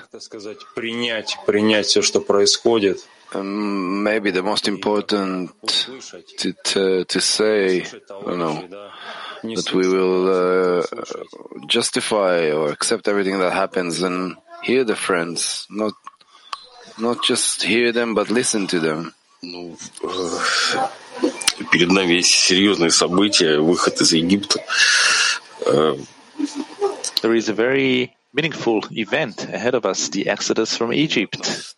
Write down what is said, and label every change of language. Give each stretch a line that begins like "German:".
Russian: Принять все, что происходит.
English: Maybe the most important to say, that we will justify or accept everything that happens and hear the friends, not just hear them, but listen to them.
Russian: Перед нами есть серьезные события, выход из Египта.
English: There is a very meaningful event ahead of us, the exodus from Egypt.